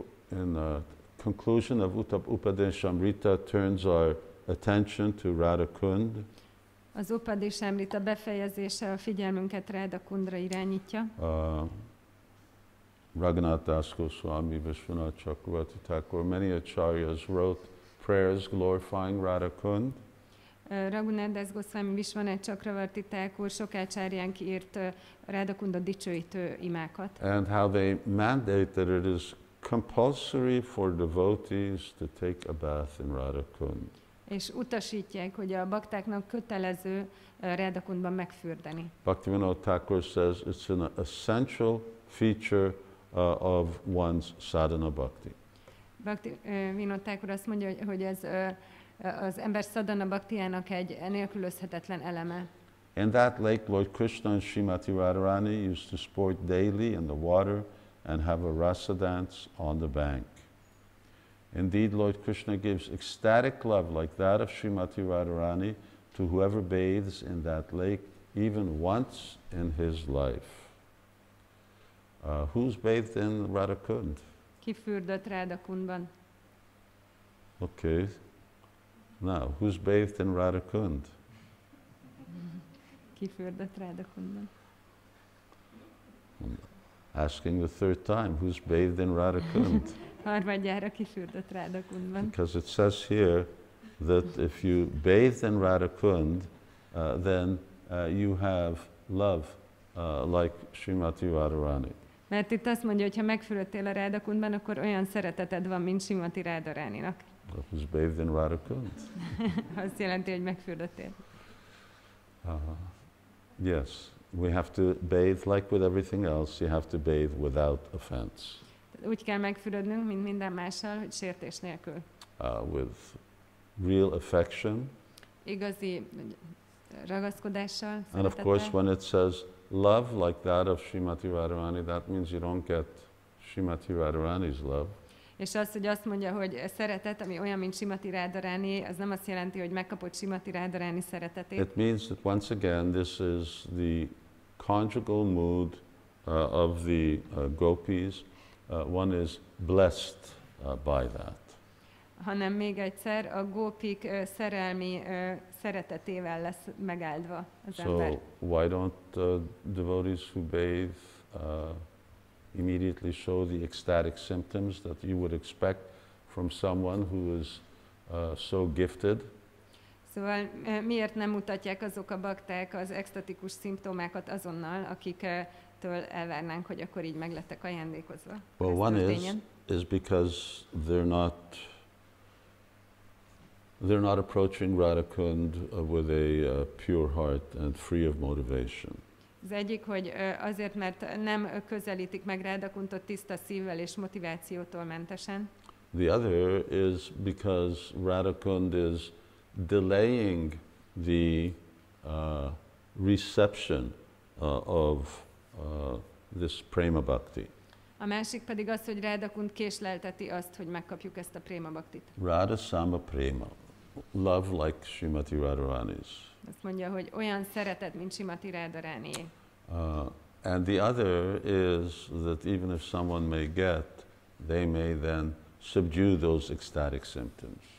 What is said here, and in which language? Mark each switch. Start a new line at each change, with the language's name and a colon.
English: In the conclusion of Upadeshamrita turns our attention to Radhakund.
Hungarian: Az Upadeshamrita befejezése a figyelmünket Radhakundra irányítja.
English: Raghunath Das Goswami, Vishwanath Chakravarti Thakur, many acharyas wrote prayers glorifying Radhakund.
Hungarian: Raghunath Das Goswami, Vishwanath Chakravarti Thakur, sok acharyánk írt Radhakunda dicsőítő imákat.
English: And how they mandate that it is compulsory for devotees to take a bath in Radhakund.
Hungarian: És utasítják, hogy a baktáknak kötelező Radhakundban megfürdeni.
English: Bhaktivinoda Thakur says it's an essential feature of one's sadhana bhakti.
Hungarian: Bhakti Vinod Thakur azt mondja, hogy ez az ember sadhana bhaktiának egy nélkülözhetetlen eleme.
English: In that lake, Lord Krishna and Srimati Radharani used to sport daily in the water and have a rasa dance on the bank. Indeed, Lord Krishna gives ecstatic love like that of Srimati Radharani to whoever bathes in that lake even once in his life. Who's bathed in Radhakund?
Hungarian: Ki fürdött Radhakundban?
English: Okay. Now, who's bathed in Radhakund?
Hungarian: Ki fürdött Radhakundban?
English: Asking the third time, who's bathed in Radhakund?
Hungarian: Harmadjára, ki fürdött Radhakundban?
English: Because it says here that if you bathe in Radhakund, then you have love like Srimati Radharani.
Hungarian: Mert itt azt mondja, hogy ha megfürödtél a Radhakundban, akkor olyan szereteted van, mint Srimati Radharaninak.
English: Who's bathed in Radhakund?
Hungarian: Azt jelenti, hogy megfürdöttél.
English: Yes, we have to bathe like with everything else. You have to bathe without offense.
Hungarian: Úgy kell megfürödnünk, mint minden mással, hogy sértés nélkül.
English: With real affection.
Hungarian: Igazi ragaszkodással.
English: And of course, when it says love like that of Srimati Radharani, that means you don't get Srimati Radharani's love.
Hungarian: És az, hogy azt mondja, hogy szeretet, ami olyan, mint Srimati Radharani, az nem azt jelenti, hogy megkapod Srimati Radharani szeretetét.
English: It means that once again, this is the conjugal mood of the gopis. One is blessed by that.
Hungarian: Hanem még egyszer, a gópik szerelmi szeretetével lesz megáldva az
English: so
Hungarian: ember.
English: So why don't devotees who bathe immediately show the ecstatic symptoms that you would expect from someone who is so gifted?
Hungarian: Szóval miért nem mutatják azok a bakták az extatikus szimptomákat azonnal, akiktől elvárnánk, hogy akkor így meglettek ajándékozva?
English: Well, one is because they're not approaching Radhakund with a pure heart and free of motivation.
Hungarian: Az egyik, hogy azért, mert nem közelítik meg Radhakundot tiszta szívvel és motivációtól mentesen.
English: The other is because Radhakund is delaying the reception of this prema bhakti.
Hungarian: A másik pedig az, hogy Radhakund késlelteti azt, hogy megkapjuk ezt a prema bhaktit.
English: Radha sama prema, love like Srimati Radharani's.
Hungarian: Azt mondja, hogy olyan szeretet, mint Srimati Radharani.
English: And the other is that even if someone may get, they may then subdue those ecstatic symptoms.